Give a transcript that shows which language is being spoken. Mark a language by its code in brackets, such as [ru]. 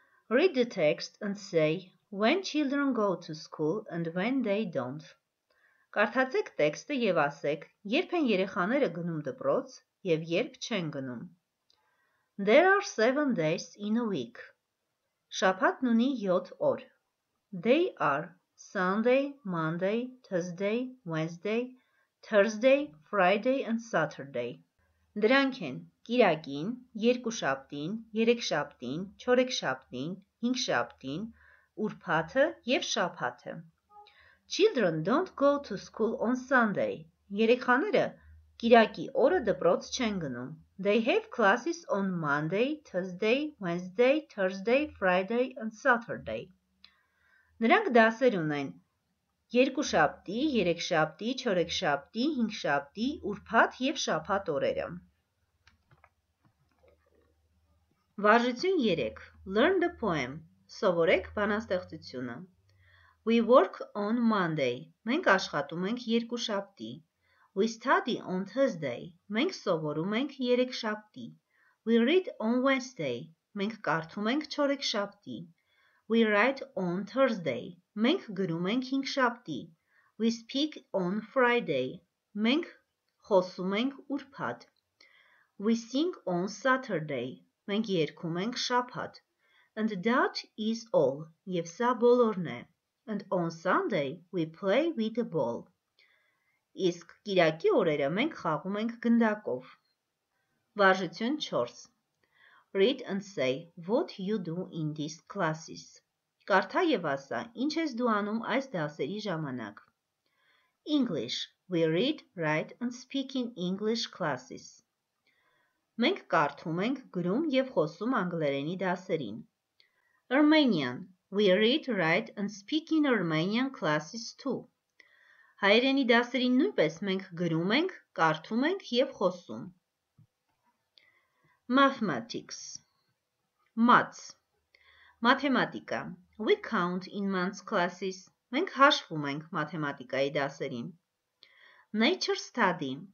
[en] Read the text and say when children go to school and when they don't. [hy] Կարդացեք տեքստը եւ ասեք, երբ են երեխաները գնում դպրոց եւ երբ չեն գնում. [en] There are 7 days in a week. [hy] Շաբաթն ունի 7 օր. [en] They are Sunday, Monday, Tuesday, Wednesday, Thursday, Friday and Saturday. [hy] Դրանք են. Կիրակին, երկու շաբթին, երեք շաբթին, չորեք շաբթին, հինգ շաբթին, ուրբաթը եւ շաբաթը. [en] Children don't go to school on Sunday. [hy] Երեխաները կիրակի օրը դպրոց չեն գնում. [en] They have classes on Monday, Tuesday, Wednesday, Thursday, Friday and Saturday. [hy] Նրանք դասեր ունեն. Երկու շաբթի, երեք շաբթի, չորեք շաբթի, հինգ շաբթի, ուրբաթ եւ շաբաթ օրերը. Վարժություն 3. [en] Learn the poem. [hy] Սովորեք բանաստեղծությունը. [en] We work on Monday. [hy] Մենք աշխատում ենք երկու շաբթի. [en] We study on Thursday. [hy] Մենք սովորում ենք երեք շաբթի. [en] We read on Wednesday. [hy] Մենք կարդում ենք չորեք շաբթի. [en] We write on Thursday. [hy] Մենք գրում ենք հինգ շաբթի. [en] We speak on Friday. [hy] Մենք խոսում ենք ուրբաթ. [en] We sing on Saturday. [hy] Մենք երգում ենք շաբաթ. [en] And that is all. [hy] Եվ սա բոլորն է. [en] And on Sunday we play with the ball. [hy] Իսկ կիրակի օրերը մենք խաղում ենք գնդակով. Վարժություն 4. [en] Read and say what you do in these classes. [hy] Կարդա եւ ասա, ինչ ես դու անում այս դասերի ժամանակ. [en] English. We read, write and speak in English classes. [hy] Մենք կարդում ենք, գրում եւ խոսում անգլերենի դասերին. [en] Armenian. We read, write and speak in Armenian classes too. [hy] Հայերենի դասերին նույնպես մենք գրում ենք, կարդում ենք եւ խոսում. [en] Mathematics. Maths. [hy] Մաթեմատիկա. [en] We count in maths classes. [hy] Մենք հաշվում ենք մաթեմատիկայի դասերին. [en] Nature study.